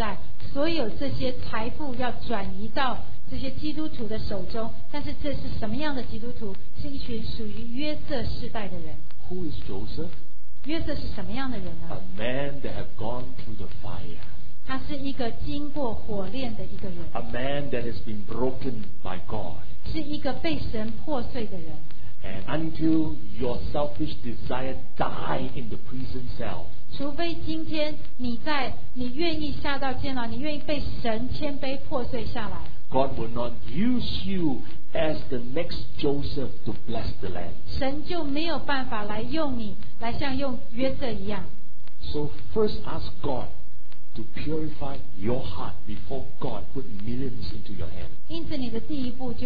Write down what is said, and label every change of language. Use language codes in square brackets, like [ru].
[zh] 我可以确定的告诉各位一点就是在末后的世代所有这些财富要转移到 这些基督徒的手中，但是这是什么样的基督徒？是一群属于约瑟世代的人。 [en] Who is Joseph? [zh] 约瑟是什么样的人呢？ [en] A man that have gone through the fire. [zh] 他是一个经过火炼的一个人。 [en] A man that has been broken by God. [zh] 是一个被神破碎的人。 [en] And until your selfish desire die in the prison cell. [zh] 除非今天你愿意下到监牢，你愿意被神谦卑破碎下来。 [en] God will not use you as the next Joseph to bless the land. [zh] 神就没有办法来用你，来像用约瑟一样。 [en] So first ask God to purify your heart before God put millions into your hand.